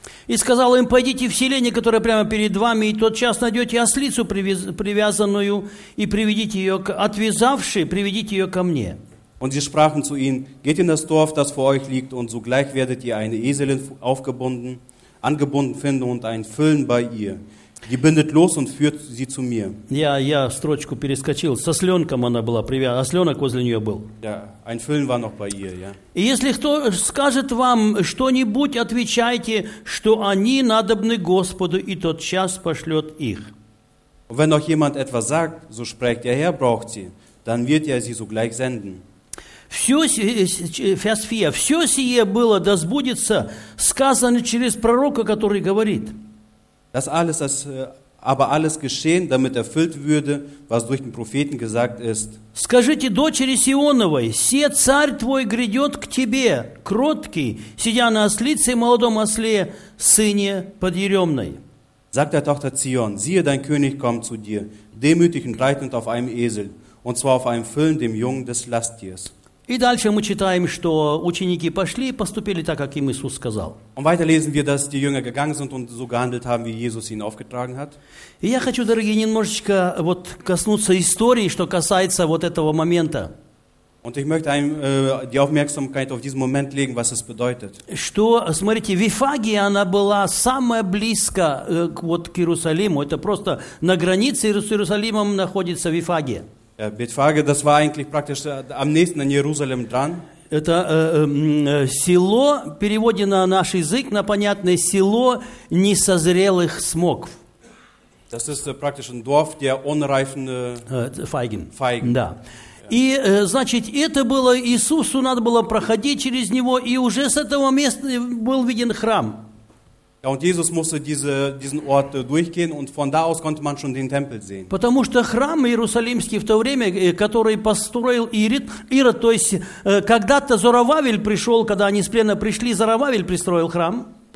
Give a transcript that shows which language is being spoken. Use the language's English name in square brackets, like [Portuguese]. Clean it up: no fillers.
[Russian] И сказал им, пойдите в селение, которое прямо перед вами, и тотчас найдете ослицу привязанную, и приведите ее, отвязавши, приведите ее ко мне. [German] Und sie sprachen zu ihnen, geht in das Dorf, das vor euch liegt, und sogleich werdet ihr eine Eselin aufgebunden, angebunden finden und ein Füllen bei ihr. Gebindet los und führt sie zu mir. [Russian] Я строчку перескочил. С осленком она была привязана. Осленок возле нее был. [German] Ja, ein Füllen war noch bei ihr, ja. [Russian] И если кто скажет вам что-нибудь, отвечайте, что они надобны Господу, и тот час пошлет их. [German] Wenn euch jemand etwas sagt, so sprecht, der Herr braucht sie, dann wird er sie sogleich senden. [Russian] Все сие было, да сбудется, сказано через пророка, который говорит. [German] Das alles, aber alles geschehen, damit erfüllt würde, was durch den Propheten gesagt ist. [Russian] Скажите дочери Сионовой, се царь твой грядет к тебе, кроткий, сидя на ослице и молодом осле, сыне подъеремной. [German] Sagt der Tochter Zion, siehe, dein König kommt zu dir, demütig und reitend auf einem Esel, und zwar auf einem Füllen, dem Jungen des Lasttiers. [Russian] И дальше мы читаем, что ученики пошли и поступили так, как им Иисус сказал. [German] Und weiter lesen wir, dass die Jünger gegangen sind und so gehandelt haben, wie Jesus ihnen aufgetragen hat. [Russian] И я хочу, дорогие, немножечко вот коснуться истории, что касается вот этого момента. [German] Und ich möchte die Aufmerksamkeit auf diesen Moment legen, was es bedeutet. [Russian] Что, смотрите, Вифагия, она была самая близко вот к Иерусалиму. Это просто на границе с Иерусалимом находится Вифагия. [German] Ja, Betfage, das war eigentlich praktisch am nächsten an Jerusalem dran. [Russian] Это село, переводе на наш язык, на понятное, село несозрелых смоков. [German] Das ist praktisch ein Dorf, der unreifen Feigen. [Russian] Да. И, значит, это было, Иисусу надо было проходить через него, и уже с этого места был виден храм. [German] Ja, und Jesus musste diesen Ort durchgehen und von da aus konnte man schon den Tempel sehen. [Russian] Потому что храм Иерусалимский в то время, который построил Ирод, то есть когда-то Зоровавель пришел, когда они с плена пришли, Зоровавель построил храм.